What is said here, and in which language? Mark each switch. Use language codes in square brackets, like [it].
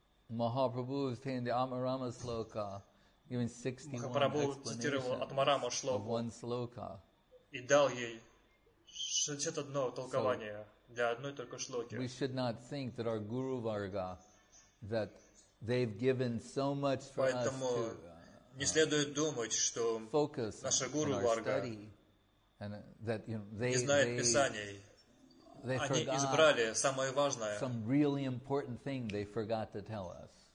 [en] Mahaprabhu is saying the Atmarama sloka, giving 61 of one sloka. [ru] И дал ей 61 толкование для одной только шлоки. [en] We should not think that our guru varga, that they've given so much for us to [ru] не следует думать, что наша гуру варга не знает Писаний. Они избрали самое важное. [en] Some really important thing they forgot to tell us.